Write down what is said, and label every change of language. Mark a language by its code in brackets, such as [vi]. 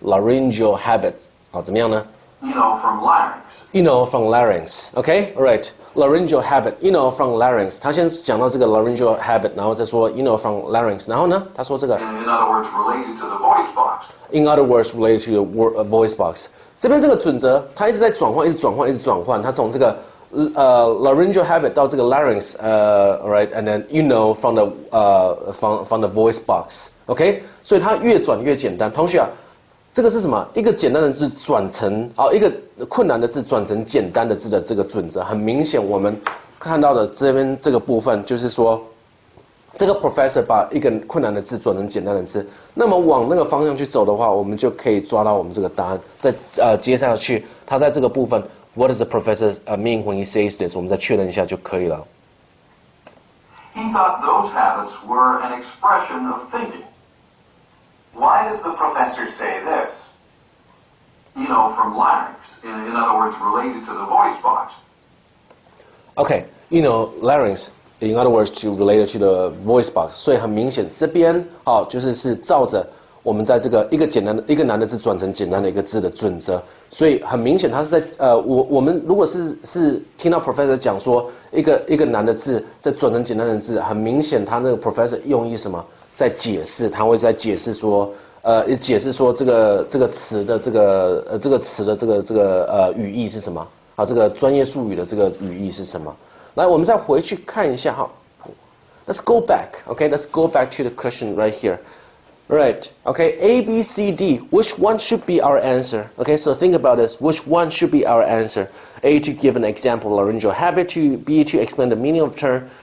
[zh] Laryngeal habits， 好，怎么样呢？ [en] You know from larynx. You know from larynx. OK， all right. Laryngeal habit. You know from larynx. [zh] 他先讲到这个 laryngeal habit， 然后再说 [en] you know from larynx。 [zh] 然后呢，他说这个。 [en] In other words, related to the voice box. In other words, related to your voice box. [zh] 这边这个准则，它一直在转换，一直转换，一直转换。它从这个 [en] laryngeal habit [zh] 到这个 [en] larynx， all right, and then you know from the from the voice box. [zh] OK， 所以它越转越简单。同学啊。这个是什么？一个简单的字转成哦，一个困难的字转成简单的字的这个准则，很明显，我们看到的这边这个部分就是说，这个 professor 把一个困难的字转成简单的字，那么往那个方向去走的话，我们就可以抓到我们这个答案。再接下去，他在这个部分 [en] ，What does the professor mean when he says this？ [zh] 我们再确认一下就可以了。 [en] He thought those habits were an expression of thinking. Why does the professor say this? You know, from larynx, in other words, related to the voice box. Okay, you know, larynx, in other words, to related to the voice box. [zh] 所以很明显，这边哦，就是是照着我们在这个一个简单的一个难的字转成简单的一个字的准则。所以很明显，他是在我们如果是听到 professor 讲说一个难的字在转成简单的字，很明显他那个 professor 用意什么？在解释，他会在解释说，解释说这个词的这个词的这个语义是什么？啊，这个专业术语的这个语义是什么？来，我们再回去看一下哈。 [en] Let's go back, okay? Let's go back to the question right here, right? Okay, A, B, C, D. Which one should be our answer? Okay, so think about this. Which one should be our answer? A to give an example of laryngeal habit. To B to explain the meaning of term.